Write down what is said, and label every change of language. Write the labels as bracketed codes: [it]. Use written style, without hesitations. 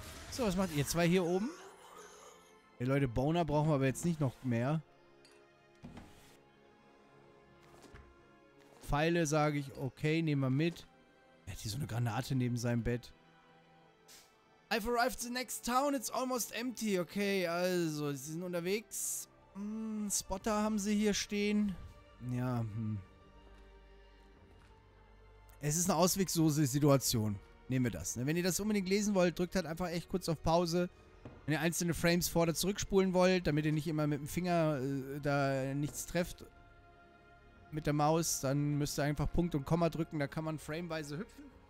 [de] So, was macht ihr zwei hier oben? Ey, Leute, Boner brauchen wir aber jetzt nicht noch mehr. Pfeile sage ich, okay, nehmen wir mit. Er hat hier so eine Granate neben seinem Bett. [en] I've arrived to the next town, it's almost empty. [de] Okay, also, sie sind unterwegs. Spotter haben sie hier stehen. Ja, Es ist eine Ausweglose Situation. nehmen wir das. Wenn ihr das unbedingt lesen wollt, drückt halt einfach echt kurz auf Pause. Wenn ihr einzelne Frames vor- oder zurückspulen wollt, damit ihr nicht immer mit dem Finger da nichts trefft mit der Maus, dann müsst ihr einfach Punkt und Komma drücken, da kann man frameweise hüpfen.